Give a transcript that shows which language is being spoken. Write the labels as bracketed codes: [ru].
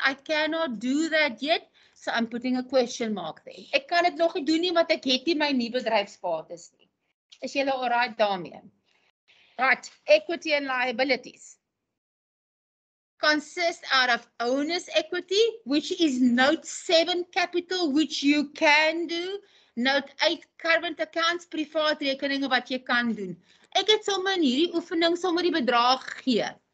[en] I cannot do that yet, so I'm putting a question mark there. [af] Ek kan het nog nie doen nie, want ek het nie my nie bedrijfsbates nie. Is jylle all right daarmee? [en] Right, equity and liabilities. Consist out of owner's equity, which is note 7 capital, which you can do. Note 8 current accounts, [af] privaat rekeninge wat jy kan doen. Ek het sommer in hierdie oefening sommer die bedrag gegee.